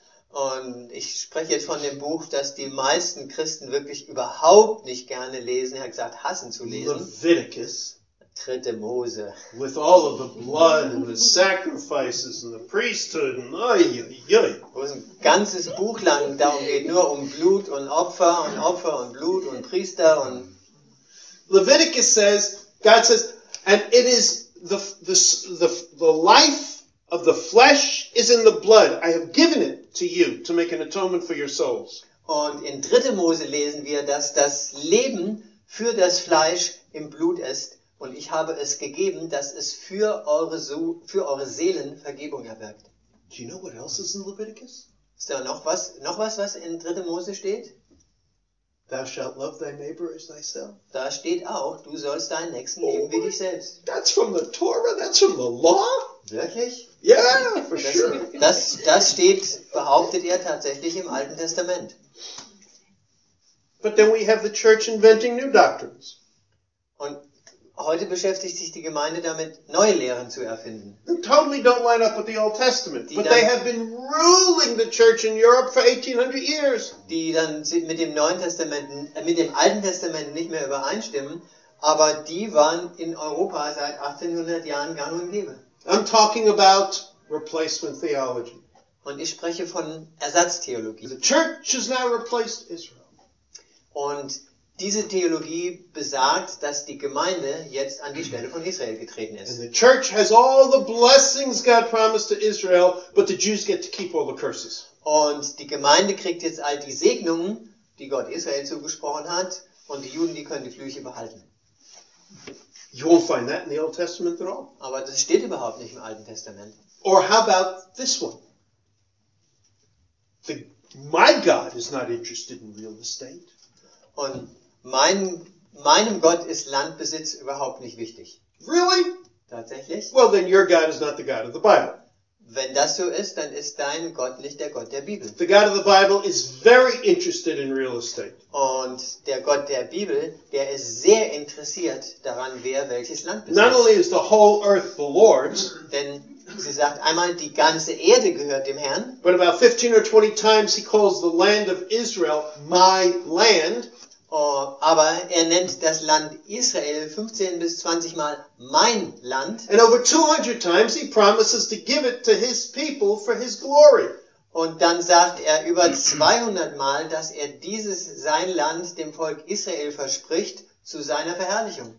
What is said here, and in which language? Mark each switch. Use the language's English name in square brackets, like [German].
[German] Und ich spreche jetzt von dem Buch, das die meisten Christen wirklich überhaupt nicht gerne lesen, er hat gesagt, hassen zu lesen. [English] Leviticus. [German] Dritte Mose. [English] With all of the blood and the sacrifices and the priesthood and ayayay. [German] Wo es ein ganzes Buch lang darum geht, nur um Blut und Opfer und Opfer und Blut und Priester und... [English] Leviticus says, God says, and it is the life of the flesh is in the blood. I have given it to you to make an atonement for your souls. [German] Und in Dritte Mose lesen wir, dass das Leben für das Fleisch im Blut ist. Und ich habe es gegeben, dass es für eure Seelen Vergebung erwirkt. [English] Do you know what else is in Leviticus? [German] Ist da noch was in 3. Mose steht? [English] Thou shalt love thy neighbor as thyself. [German] Da steht auch, du sollst deinen Nächsten lieben wie dich selbst. [English] That's from the Torah, that's from the law? [German] Wirklich? [English] Yeah, for sure. [German] Das steht, behauptet ihr tatsächlich im Alten Testament. [English] But then we have the church inventing new doctrines. [German] Und heute beschäftigt sich die Gemeinde damit, neue Lehren zu erfinden. [English] Totally don't line up with the Old Testament, but they have been ruling the church in Europe for 1800 years. [German] Die dann mit dem Neuen Testament, mit dem Alten Testament nicht mehr übereinstimmen, aber die waren in Europa seit 1800 Jahren gang und gäbe. [English] I'm talking about replacement theology. [German] Und ich spreche von Ersatztheologie. [English] The church has now replaced Israel. [German] Und diese Theologie besagt, dass die Gemeinde jetzt an die Stelle von Israel getreten ist. [English] And the church has all the blessings God promised to Israel, but the Jews get to keep all the curses. [German] Und die Gemeinde kriegt jetzt all die Segnungen, die Gott Israel zugesprochen hat, und die Juden, die können die Flüche behalten. [English] You won't find that in the Old Testament at all. [German] Aber das steht überhaupt nicht im Alten Testament. [English] Or how about this one? My God is not interested in real estate. [German] Und meinem Gott ist Landbesitz überhaupt nicht wichtig. [English] Really? [German] Tatsächlich? [English] Well, then your God is not the God of the Bible. [German] Wenn das so ist, dann ist dein Gott nicht der Gott der Bibel. [English] The God of the Bible is very interested in real estate. [German] Und der Gott der Bibel, der ist sehr interessiert daran, wer welches Land besitzt. [English] Not only is the whole earth the Lord's. [German] Denn sie sagt einmal, die ganze Erde gehört dem Herrn. [English] But about 15 or 20 times he calls the land of Israel my land. [German] Oh, aber er nennt das Land Israel 15 bis 20 Mal mein Land. [English] And over 200 times he promises to give it to his people for his glory. [German] Und dann sagt er über 200 Mal, dass er dieses sein Land dem Volk Israel verspricht zu seiner Verherrlichung.